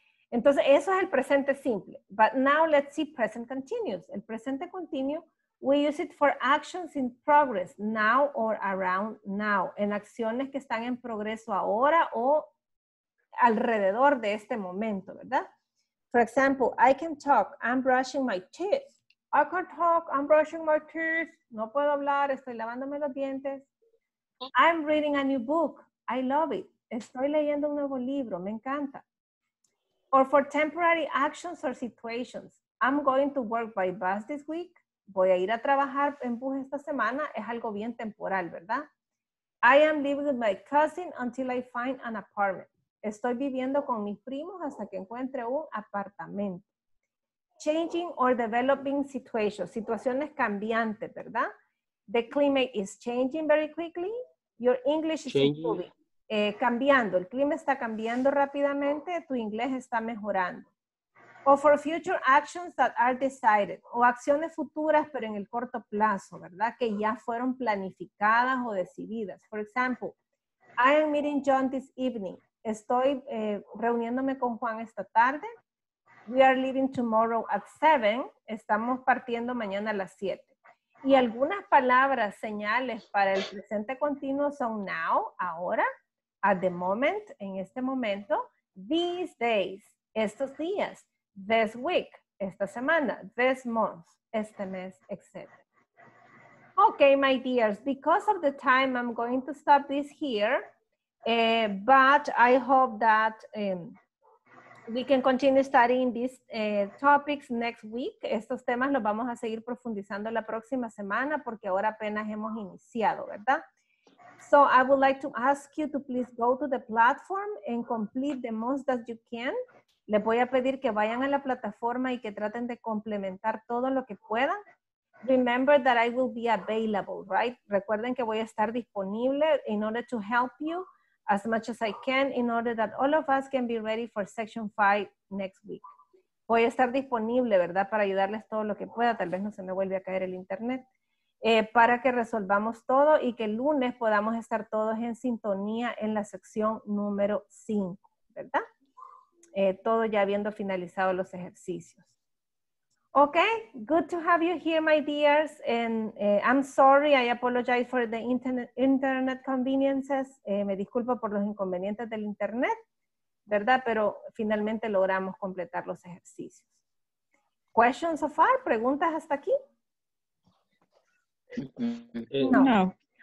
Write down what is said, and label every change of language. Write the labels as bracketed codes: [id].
[es] Entonces, eso es el presente simple. [en] But now let's see present continuous. [es] El presente continuo. [en] We use it for actions in progress, now or around now. [es] En acciones que están en progreso ahora o alrededor de este momento, ¿verdad? [en] For example, I can talk, I'm brushing my teeth. I can talk, I'm brushing my teeth. [es] No puedo hablar, estoy lavándome los dientes. [en] I'm reading a new book, I love it. [es] Estoy leyendo un nuevo libro, me encanta. [en] Or for temporary actions or situations. I'm going to work by bus this week. [es] Voy a ir a trabajar en bus esta semana. Es algo bien temporal, ¿verdad? [en] I am living with my cousin until I find an apartment. [es] Estoy viviendo con mis primos hasta que encuentre un apartamento. [en] Changing or developing situations. [es] Situaciones cambiantes, ¿verdad? [en] The climate is changing very quickly. Your English is improving. Cambiando. [es] El clima está cambiando rápidamente. Tu inglés está mejorando. [en] O for future actions that are decided. [es] O acciones futuras, pero en el corto plazo, ¿verdad? Que ya fueron planificadas o decididas. [en] For example, I am meeting John this evening. [es] Estoy reuniéndome con Juan esta tarde. [en] We are leaving tomorrow at 7. [es] Estamos partiendo mañana a las 7. Y algunas palabras, señales para el presente continuo son now, ahora, [en] at the moment, [es] en este momento, [en] these days, [es] estos días. [en] This week, [es] esta semana, [en] this month, [es] este mes, [en] etc. Okay, my dears, because of the time, I'm going to stop this here, but I hope that we can continue studying these topics next week. [es] Estos temas los vamos a seguir profundizando la próxima semana porque ahora apenas hemos iniciado, ¿verdad? [en] So I would like to ask you to please go to the platform and complete the most that you can. [es] Les voy a pedir que vayan a la plataforma y que traten de complementar todo lo que puedan. [en] Remember that I will be available, right? [es] Recuerden que voy a estar disponible [en] in order to help you as much as I can in order that all of us can be ready for section 5 next week. [es] Voy a estar disponible, ¿verdad? Para ayudarles todo lo que pueda. Tal vez no se me vuelva a caer el internet. Para que resolvamos todo y que el lunes podamos estar todos en sintonía en la sección número 5, ¿verdad? Todo ya habiendo finalizado los ejercicios. [en] Okay, good to have you here, my dears. And I'm sorry, I apologize for the internet conveniences. [es] Me disculpo por los inconvenientes del internet, ¿verdad? Pero finalmente logramos completar los ejercicios. [en] Questions so far? [es] ¿Preguntas hasta aquí? No.